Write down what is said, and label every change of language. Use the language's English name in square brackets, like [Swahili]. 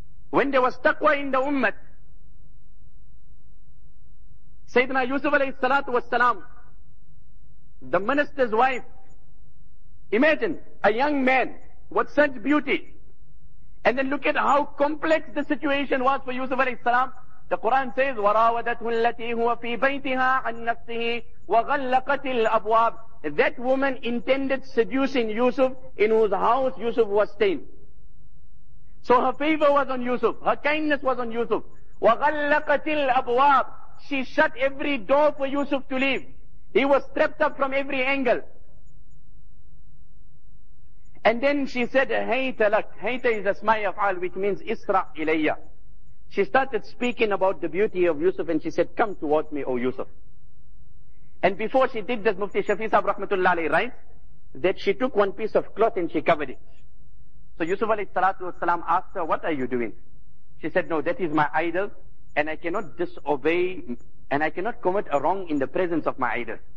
[English] When there was taqwa in the ummah, Sayyidina Yusuf alayhi salatu wasalam the minister's wife. Imagine a young man with such beauty. And then look at how complex the situation was for Yusuf alayhi salam. The Quran says, [Arabic] وَرَاوَدَتْهُ الَّتِي هُوَ فِي بَيْتِهَا عَنْ نَفْسِهِ وَغَلَّقَتِ الْأَبْوَابِ. [English] That woman intended seducing Yusuf, in whose house Yusuf was staying. So her favor was on Yusuf. Her kindness was on Yusuf. [Arabic] وَغَلَّقَتِ الْأَبْوَابِ. [English] She shut every door for Yusuf to leave. He was trapped up from every angle. And then she said, [Arabic] هَيْتَ لَكْ. هَيْتَ [English] is a [Arabic] اسْمَاءِ أَفْعَالِ, [English] which means [Arabic] إِسْرَعْ إِلَيَّ. [English] She started speaking about the beauty of Yusuf and she said, come towards me, O Yusuf. And before she did this, Mufti Shafi Sahib Rahmatullah Alayhi writes that she took one piece of cloth and she covered it. So Yusuf Alayhi Salatu Wasalam asked her, what are you doing? She said, no, that is my idol and I cannot disobey and I cannot commit a wrong in the presence of my idol.